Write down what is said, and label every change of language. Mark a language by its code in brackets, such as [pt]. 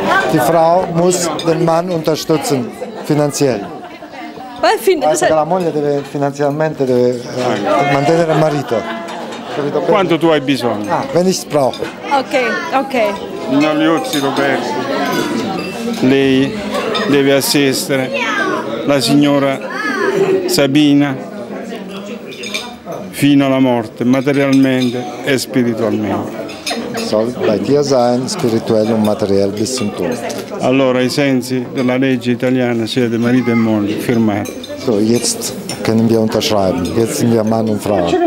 [de] Die Frau muss den Mann unterstützen finanziell. [it] La moglie deve finanziariamente deve mantenere il marito. Quanto tu hai bisogno? [de] Wenn ich brauche. Ok, ok. [it] Non gli uzzi Roberto. Lei deve assistere la signora Sabina fino alla morte, materialmente e spiritualmente. [de] Soll bei dir sein, spirituell und materiell bis zum Tod. [it] Allora, ai sensi della legge italiana, siete marito e moglie, firmato. [de] So, jetzt können wir unterschreiben. Jetzt sind wir Mann und Frau.